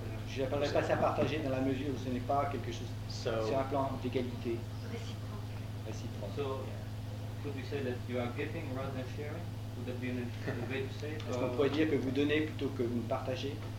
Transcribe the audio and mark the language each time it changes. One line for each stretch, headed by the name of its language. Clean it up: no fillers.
French: Je n'appellerais pas ça partager dans la mesure où ce n'est pas quelque chose sur un plan d'égalité. Réciproque.
English: I see problems. So, could we say that you are giving rather than sharing? Would that be an interesting way to say it?
French: Est-ce qu'on pourrait dire que vous donnez plutôt que vous partagez?